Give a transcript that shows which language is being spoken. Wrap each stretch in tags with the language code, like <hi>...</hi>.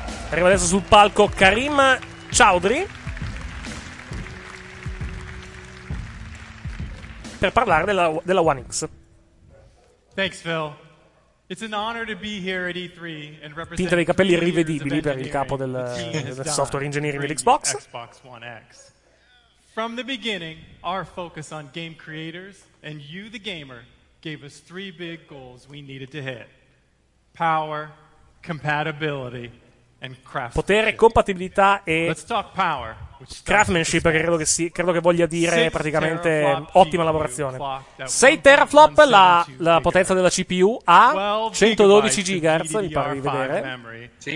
<it>Arriva adesso sul palco Kareem Chaudhry per parlare della One X.</it> <en>Thanks, Phil. It's an honor to be here at E3 and represent.</en> <it>Tinta dei capelli irrivedibili per il capo del software engineering dell'Xbox.</it> <en>Xbox One X. From the beginning, our focus on game creators and you, the gamer, gave us three big goals we needed to hit: power, compatibility, and craftsmanship.</en> <it>Potere, compatibilità e.</it> <en>Let's talk power.</en> <it>Craftsmanship, che credo che voglia dire praticamente ottima lavorazione. 6 teraflop la potenza della CPU a 112 GHz, mi pare di vedere.</it>